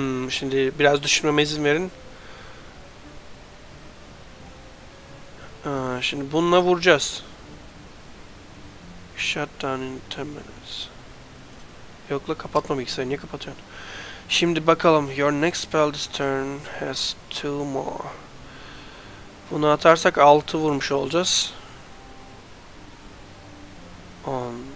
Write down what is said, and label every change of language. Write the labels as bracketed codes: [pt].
[tr] Şimdi biraz düşünmeme izin verin. Şimdi bununla vuracağız. [en] Shutdown in 10 minutes. [tr] Yok la, kapatma bilgisayarı. Niye kapatıyorsun? Şimdi bakalım. [en] Your next spell this turn has 2 more. [tr] Bunu atarsak 6 vurmuş olacağız. 10.